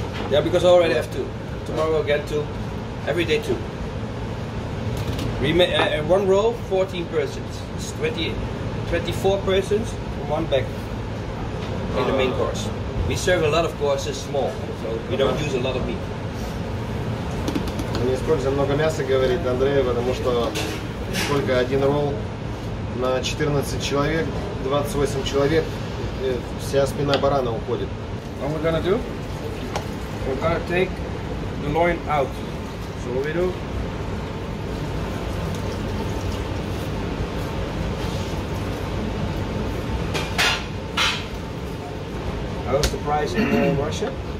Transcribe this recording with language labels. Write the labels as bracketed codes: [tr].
[en] Yeah, because I already have two. Tomorrow I'll get two. Every day two. One roll, 14 persons. It's 24 persons, one bag in the main course. We serve a lot of courses small, so we don't use a lot of meat. [ru] Не используем много мяса, говорит Андрей, потому что сколько один ролл на 14 человек, 28 человек, вся спина барана уходит. [en] What we're gonna do? We're gonna take the loin out. So what we do? How was the price in Russia?